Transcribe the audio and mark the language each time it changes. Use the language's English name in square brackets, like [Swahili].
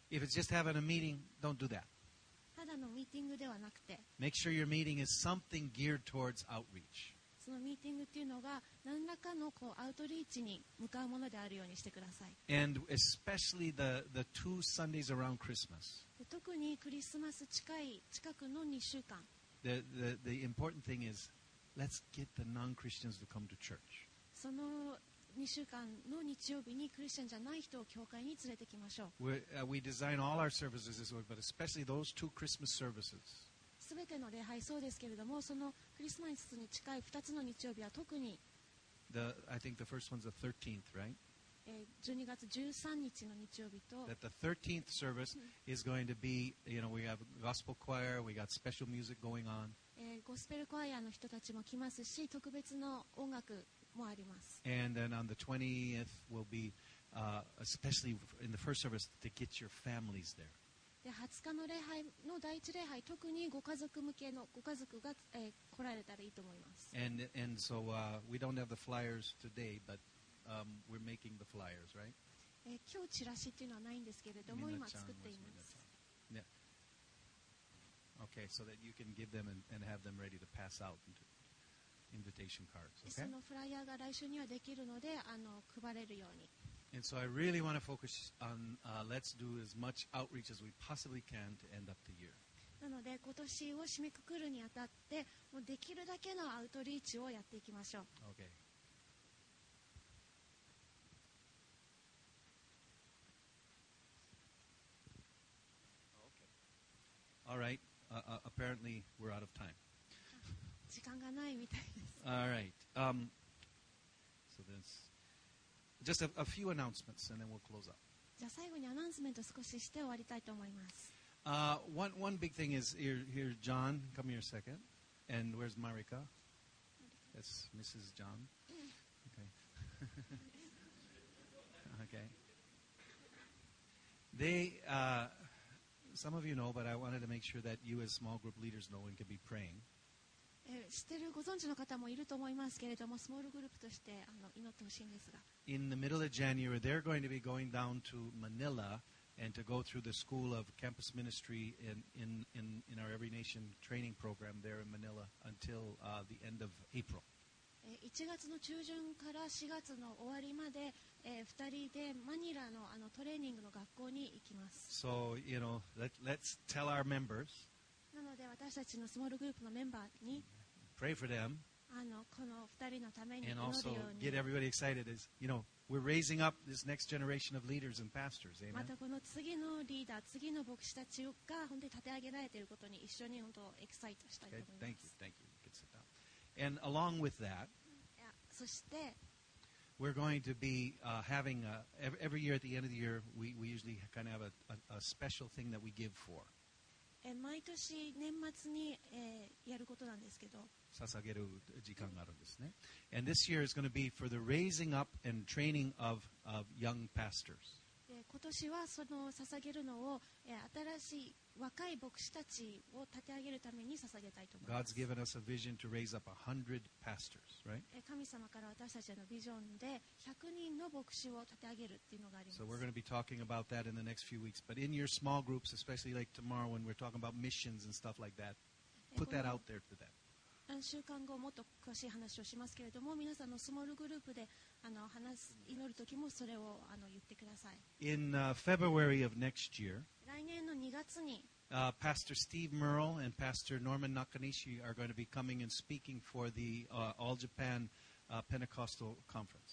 [English] If it's just having a meeting, don't do that. [Japanese] ただのミーティングではなくて、 [English] Make sure your meeting is something geared towards outreach. [Japanese] そのミーティングっていうのが何らかのこうアウトリーチに向かうものであるようにしてください。 [English] And especially the two Sundays around Christmas. [Japanese] 特にクリスマス近くの2週間。 [English] The important thing is, let's get the non-Christians to come to church. [Japanese] その2週間の日曜日にクリスチャンじゃない人を教会に連れてきましょう。 [English] We design all our services this way, but especially those two Christmas services. [Japanese] すべての礼拝そうですけれども、そのクリスマスに近い2つの日曜日は特に、 [English] I think the first one's the 13th, right? [Japanese] 12月13日の日曜日と、 [English] that the 13th service is going to be, you know, we have gospel choir, we got special music going on. [Japanese] ゴスペルクワイアの人たちも来ますし、特別の音楽もあります。 [English] And then on the 20th will be, especially in the first service, to get your families there. [Japanese] で20日の礼拝の第一礼拝、特にご家族向けのご家族が、来られたらいいと思います。 [English] And so, we don't have the flyers today, but、we're making the flyers, right?、 [Japanese] 今日チラシっていうのはないんですけれども、今作っています。 [English] Yeah. Okay, so that you can give them and have them ready to pass out invitation cards.、Okay? [Japanese] そのフライヤーが来週にはできるので、配れるように。 [English] And so I really want to focus on、let's do as much outreach as we possibly can to end up the year. [Japanese] なので今年を締めくくるにあたって、もうできるだけのアウトリーチをやっていきましょう。 [English] Okay. Okay. All right. Apparently we're out of time. [Japanese] 時間がないみたいです。 [English] All right. So this. Just a few announcements and then we'll close up. [Japanese] じゃあ最後にアナウンスメント少しして終わりたいと思います。 [English] One big thing is here, John, come here a second. And where's Marika? That's Mrs. John. Okay. Okay. They, some of you know, but I wanted to make sure that you as small group leaders know and can be praying. [Japanese] 知ってるご存知の方もいると思いますけれども、スモールグループとして祈ってほしいんですが。 [English] In the middle of January, they're going to be going down to Manila and to go through the School of Campus Ministry in our Every Nation training program there in Manila until、the end of April. [Japanese] 1月の中旬から4月の終わりまで、2人でマニラ の, あのトレーニングの学校に行きます。 [English] So, you know, let's tell our members. [Japanese] なので私たちのスモールグループのメンバーに [English] Pray for them. [Japanese] この2人のために [English] And also get everybody excited as, you know, we're raising up this next generation of leaders and pastors. Amen. [Japanese] またこの次のリーダー、次の牧師たちが本当に立て上げられていることに一緒に本当エキサイトしたいと思います。 [English] Okay, thank you. You can sit down. And along with that, [Japanese] そして [English] we're going to be having every year at the end of the year, we usually kind of have a special thing that we give for. [Japanese] 毎年年末に、やることなんですけど捧げる時間があるんですね、うん、 [English] And this year is going to be for the raising up and training of young pastors [Japanese] 今年はその捧げるのを、新しい若い牧師たちを立て上げるために捧げたいと思います [English] God's given us a vision to raise up 100 pastors, right? [Japanese] 神様から私たちのビジョンで100人の牧師を立て上げるっていうのがあります [English] So we're going to be talking about that in the next few weeks But in your small groups, especially like tomorrow when we're talking about missions and stuff like that put that out there to them. [Japanese] 何週間後もっと詳しい話をしますけれども、皆さんのスモールグループで話す祈る時もそれを言ってください。 [English] In February of next year, [Japanese] 来年の2月に、 [English] Pastor Steve Merle and Pastor Norman Nakanishi are going to be coming and speaking for the All Japan Pentecostal Conference.